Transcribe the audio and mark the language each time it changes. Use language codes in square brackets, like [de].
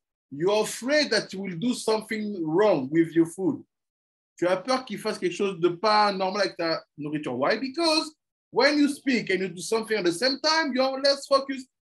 [en] You're afraid that you will do something wrong with your food. [fr] Tu as peur qu'il fasse quelque chose de pas normal avec ta nourriture. [en] Why? Because when you speak and you do something at the same time, you're less focused.